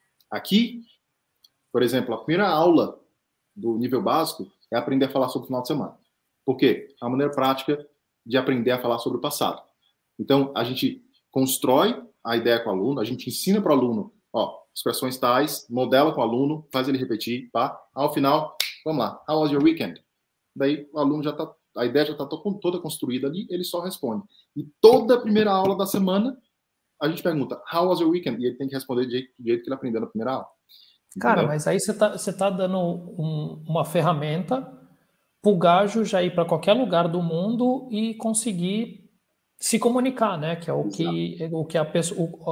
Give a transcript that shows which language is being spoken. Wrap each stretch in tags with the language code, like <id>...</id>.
<pt>Aqui, por exemplo, a primeira aula do nível básico é aprender a falar sobre o final de semana. Por quê? É a maneira prática de aprender a falar sobre o passado. Então, a gente constrói a ideia com o aluno, a gente ensina para o aluno, ó, expressões tais, modela com o aluno, faz ele repetir, pá. Ao final, vamos lá,</pt> <en>how was your weekend?</en> <pt>Daí o aluno já está... A ideia já está toda construída ali, ele só responde. E toda a primeira aula da semana, a gente pergunta,</pt> <en>how was your weekend?</en> <pt>E ele tem que responder do jeito que ele aprendeu na primeira aula. Cara, entendeu? Mas aí você tá dando uma ferramenta pro gajo já ir para qualquer lugar do mundo e conseguir se comunicar, né? Que é o que a pessoa...</pt>